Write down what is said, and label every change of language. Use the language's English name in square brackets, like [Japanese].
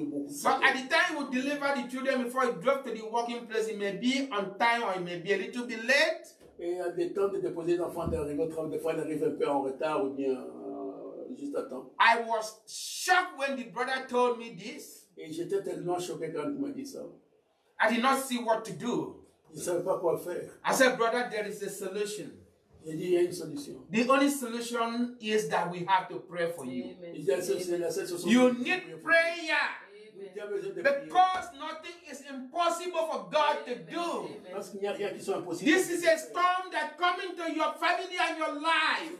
[English] So at the time he would deliver the children before he drove to the working place, it may be on time or it may be a little bit late. [French] Et le temps de déposer l'enfant d'arriver au travail, des fois il arrive un peu en retard ou bien juste à temps. [English] I was shocked when the brother told me this. [French] Et j'étais tellement choqué quand il m'a dit ça. [English] I did not see what to do. [French] Je savais pas quoi faire. [English] I said, brother, there is a solution. The only solution is that we have to pray for you. Amen. You need prayer. Amen. Because nothing is impossible for God to do. Amen. This is a storm that comes into your family and your life.